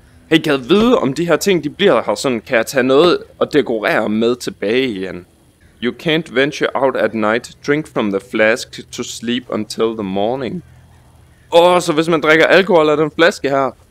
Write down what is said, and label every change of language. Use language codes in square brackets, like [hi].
[da] Hey, kan jeg vide, om de her ting, de bliver her sådan? Kan jeg tage noget og dekorere med tilbage igen? [en] You can't venture out at night. Drink from the flask to sleep until the morning. [da] Åh, oh, så hvis man drikker alkohol af den flaske her...